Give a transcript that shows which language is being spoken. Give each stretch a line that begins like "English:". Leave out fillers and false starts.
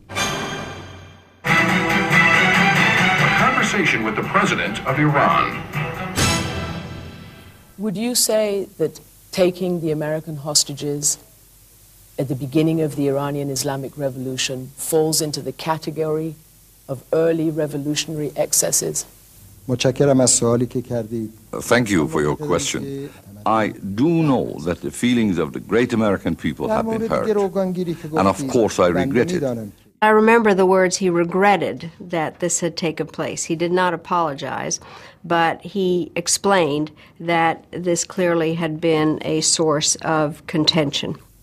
English: A conversation with the president of Iran. Would you say that taking the American hostages at the beginning of the Iranian Islamic Revolution falls into the category of early revolutionary excesses?
Persian: متشکرم از سوالی که کردید.
English: Thank you for your question. I do know that the feelings of the great American people have been hurt. And of course I regret it. I remember the words he regretted that this had taken place. He did not apologize, but he explained that this clearly had been a source of contention.